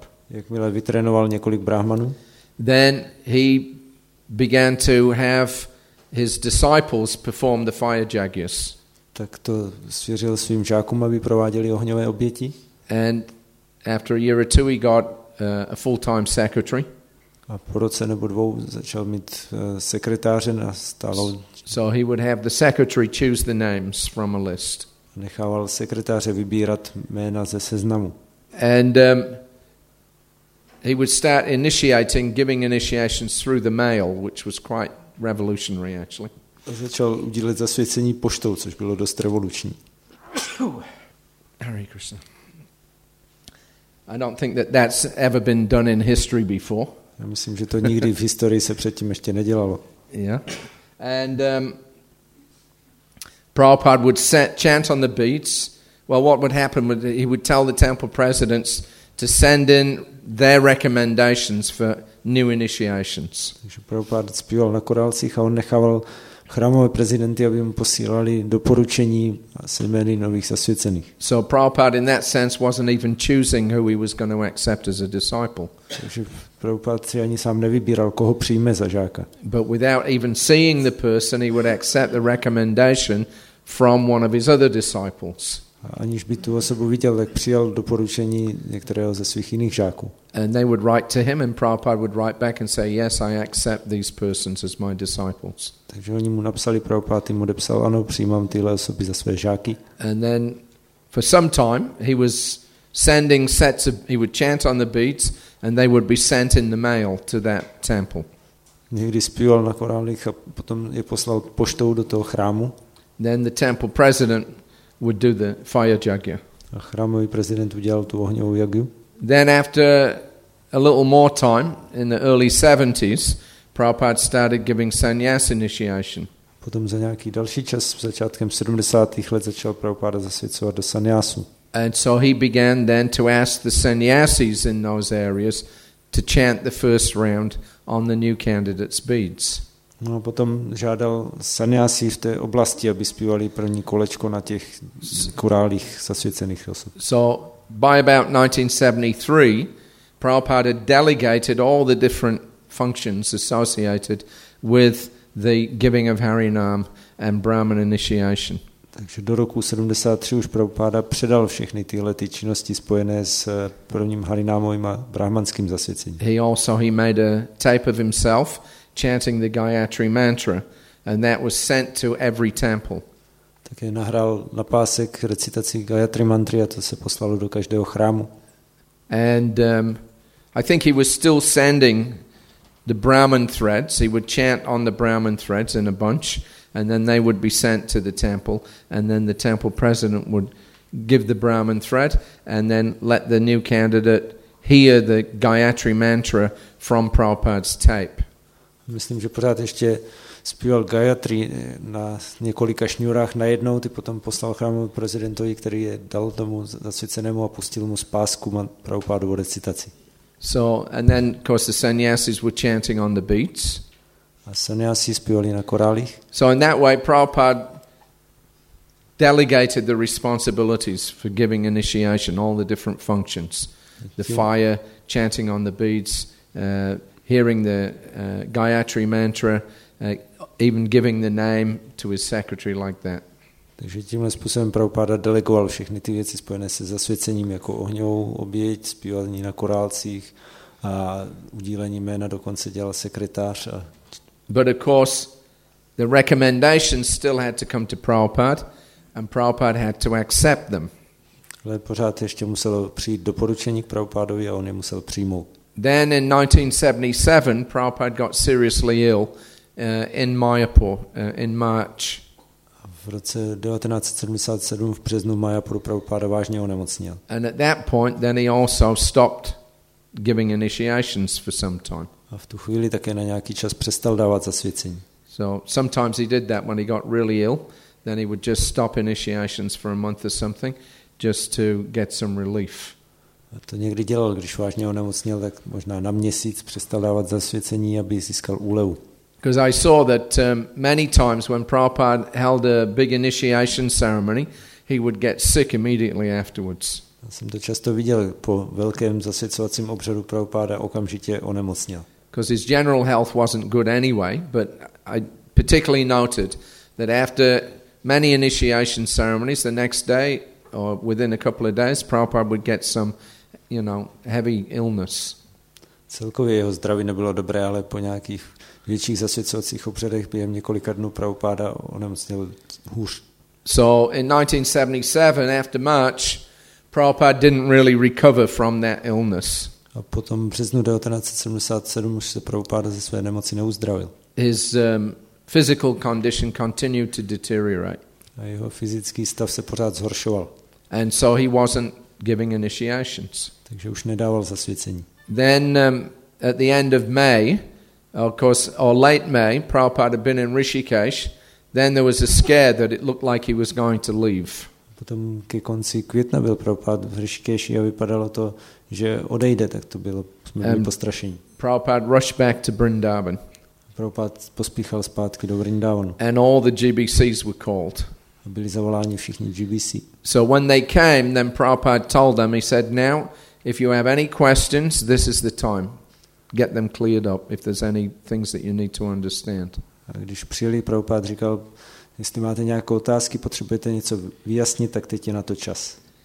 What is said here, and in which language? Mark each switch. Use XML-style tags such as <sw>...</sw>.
<cs>Jakmile vytrénoval několik brahmanů.</cs> <en>Then he began to have his disciples perform the fire jagyas.</en> <cs>Tak to svěřil svým žákům, aby prováděli ohňové oběti.</cs> <en>And after a year or two he got a full-time secretary.</en> <cs>A po roce nebo dvou začal mít sekretáře na stálou.</cs> <en>So he would have the secretary choose the names from a list.</en> <cs>Nechával sekretáře vybírat jména ze seznamu.</cs> <en>And he would start initiating, giving initiations through the mail, which was quite revolutionary actually.</en> <cs>A začal udělat zasvěcení poštou, což bylo dost revoluční.</cs> <en>Hare Krishna. I don't think that that's ever been done in history before.</en> <cs>Já myslím, že to nikdy v historii se předtím ještě nedělalo.</cs> <en>Yeah. And Prabhupada would chant on the beads. Well, what would happen? He would tell the temple presidents to send in their recommendations for new initiations.</en> <cs>Takže Prabhupada zpíval na korálcích a on nechával chrámové prezidenty, aby mu posílali doporučení a jmény nových zasvěcených.</cs> <en>So Prabhupada in that sense wasn't even choosing who he was going to accept as a disciple.</en> <cs>Takže Prabhupada si ani sám nevybíral, koho přijme za žáka.</cs> <en>But without even seeing the person, he would accept the recommendation from one of his other disciples.</en> <cs>A aniž by tu osobu viděl, tak přijal doporučení některého ze svých jiných žáků.</cs> <en>And they would write to him, and Prabhupada would write back and say, "Yes, I accept these persons as my disciples."</en> <cs>Takže oni mu napsali, Prabhupada mu odepsal, ano, přijímám tyhle osoby za své žáky.</cs> <en>And then, for some time, he was sending sets of he would chant on the beads, and they would be sent in the mail to that temple.</en> <cs>Někdy zpíval na korálích a potom je poslal poštou do toho chrámu.</cs> <en>Then the temple president would do the fire yagya.</en> <cs>A chrámový prezident udělal tu ohňovou jagyu.</cs> <en>Then after a little more time in the early 70s, Prabhupada started giving sannyas initiation.</en> <cs>Potom za nějaký další čas, začátkem 70. let, začal Prabhupada zasvěcovat do sannyasu.</cs> <en>And so he began then to ask the sannyasis in those areas to chant the first round on the new candidate's beads.</en> <cs>No a potom žádal sannyasi v té oblasti, aby zpívali první kolečko na těch korálích zasvěcených osob.</cs> <en>So by about 1973, Prabhupada delegated all the different functions associated with the giving of Harinam and Brahman initiation.</en> <cs>Takže do roku 73 už Prabhupada předal všechny tyhle ty činnosti spojené s prvním Harinámovým a brahmanským zasvěcením.</cs> <en>He made a tape of himself chanting the Gayatri mantra, and that was sent to every temple.</en> <cs>Také nahrál na pásek recitaci Gayatri mantry a to se poslalo do každého chrámu.</cs> <en>And I think he was still sending the Brahman threads. He would chant on the Brahman threads in a bunch, and then they would be sent to the temple, and then the temple president would give the Brahman thread, and then let the new candidate hear the Gayatri mantra from Prabhupada's tape.</en> <cs>Myslím, že pořád ještě zpíval Gayatri na několika šňůrách najednou, ty potom poslal chrámovému prezidentovi, který je dal tomu zasvěcenému a pustil mu z pásku Prabhupádovu recitaci.</cs> <en>So and then of course the sannyasis were chanting on the beats.</en> <cs>A sannyasi zpívali na korálích.</cs> <en>So in that way Prabhupada delegated the responsibilities for giving initiation, all the different functions. The fire, chanting on the beats, hearing the Gayatri mantra, even giving the name to his secretary like that.</en> <cs>Takže tímhle způsobem Prabhupada delegoval všechny ty věci spojené se zasvěcením jako ohňovou oběť, zpívání na korálcích a udílení jména, dokonce dělal sekretář. A...</cs> <en>But of course, the recommendations still had to come to Prabhupada and Prabhupada had to accept them.</en> <cs>Ale pořád ještě muselo přijít doporučení k Prabhupadovi a on je musel přijmout.</cs> <en>Then in 1977, Prabhupada got seriously ill in Mayapur in March.</en> <cs>V roce 1977 v březnu Mayapuru Prabhupada vážně onemocněl.</cs> <en>And at that point then he also stopped giving initiations for some time.</en> <cs>A v tu chvíli také na nějaký čas přestal dávat zasvěcení.</cs> <en>So sometimes he did that when he got really ill, then he would just stop initiations for a month or something just to get some relief.</en> <cs>A to někdy dělal, když vážně onemocněl, tak možná na měsíc přestal dávat zasvěcení, aby získal úlevu.</cs> <en>Because I saw that many times when Prabhupada held a big initiation ceremony, he would get sick immediately afterwards.</en> <cs>Já jsem to často viděl po velkém zasvěcovacím obřadu Prabhupada okamžitě onemocněl.</cs> <en>Because his general health wasn't good anyway, but I particularly noted that after many initiation ceremonies, the next day or within a couple of days, Prabhupada would get some, you know, heavy illness.</en> <cs>Celkově jeho zdraví nebylo dobré, ale po nějakých větších zasvěcovacích obřadech během několika dnů Prabhupada onemocněl hůř.</cs> <en>So in 1977 after March Prabhupada didn't really recover from that illness.</en> <cs>A potom v březnu 1977 už se Prabhupada ze své nemoci neuzdravil.</cs> <en>His physical condition continued to deteriorate.</en> <cs>A jeho fyzický stav se pořád zhoršoval.</cs> <en>And so he wasn't giving initiations.</en> <cs>Takže už nedával zasvěcení.</cs> <en>Then at the end of May, of course, or late May, Prabhupada had been in Rishikesh. Then there was a scare that it looked like he was going to leave.</en> <cs>Potom ke konci května byl Prabhupada v Rishikeshi a vypadalo to, že odejde, tak to bylo smrtelné postrašení.</cs> <en>Prabhupada rushed back to Vrindavan.</en> <cs>Prabhupada pospíchal zpátky do Vrindavanu.</cs> <en>And all the GBCs were called.</en> <cs>A byli zavoláni všichni GBC.</cs> <en>So when they came, then Prabhupada told them, he said, now, if you have any questions, this is the time. Get them cleared up if there's any things that you need to understand.</en> <cs>A když přijeli, Prabhupád říkal, jestli máte nějaké otázky, potřebujete něco vyjasnit, tak teď je na to čas.</cs>